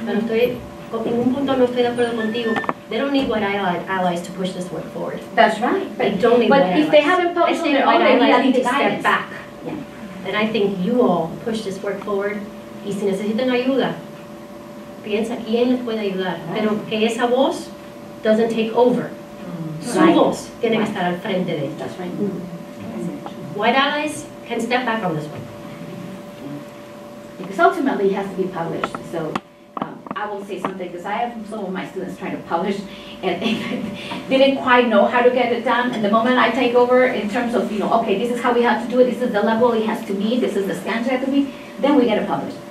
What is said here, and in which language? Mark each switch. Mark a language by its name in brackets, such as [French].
[Spanish] Pero estoy, con ningún punto no estoy de acuerdo contigo. [English] They don't need white allies to push this work forward. That's right. They don't need white allies. But if they haven't published it, all they need to step back. Yeah. And I think you all push this work forward. [Spanish] Y si necesitan ayuda, piensa quién les puede ayudar. Pero que esa voz [English] doesn't take over. [Spanish] Su voz tiene que estar al frente de esto. [English] That's right. White allies can step back on this one. Because ultimately it has to be published. So I will say something because I have some of my students trying to publish and they didn't quite know how to get it done. And the moment I take over in terms of, you know, okay, this is how we have to do it, this is the level it has to meet, this is the standard it has to meet, then we get it published.